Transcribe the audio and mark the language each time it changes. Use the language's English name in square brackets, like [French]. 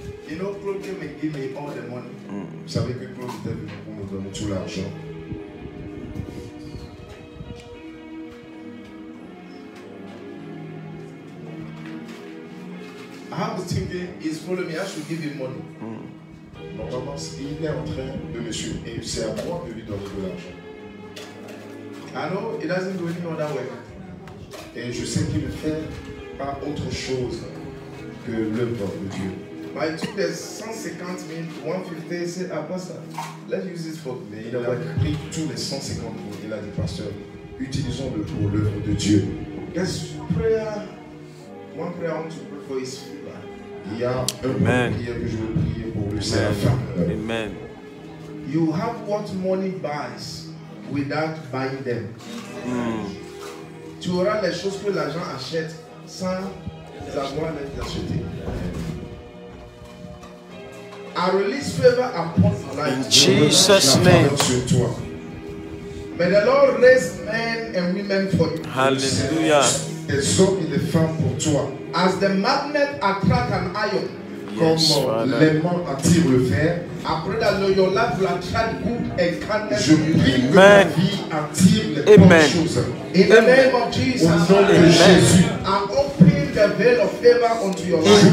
[English] You know, Claude came and gave me all the money. [French] Vous savez que Claude était venu pour me donner tout l'argent. [English] I was thinking, he's following me, I should give him money. [French] Normalement, il est en train de me suivre et c'est à moi de lui donner de l'argent. [English] I know he doesn't do any other way. [French] Et je sais qu'il ne fait pas autre chose que l'œuvre de Dieu. [English] By 150,000, 150, he said, Pastor, let's use it for me. [French] Il a pris tous les 150 000. Il a dit, Pasteur, utilisons-le pour l'œuvre de Dieu. [English] There's prayer. One prayer I want to pray for his life. [French] Il y a une prière que je veux prier pour lui. Amen. Sa femme. Amen. [English] You have what money buys without buying them. [French] Tu auras les choses que l'argent achète sans avoir les acheter. [English] I release favor upon your life. In Jesus' name. May the Lord raise men and women for you. Hallelujah. As the magnet attracts an iron, yes, [French] le monde attire le fer. [English] I pray that your life will attract good and kindness. [French] Je prie que ma vie attire les bonnes choses. [English] In the name of Jesus, [French] au nom de Jésus, [English] I open the veil of favor unto your life.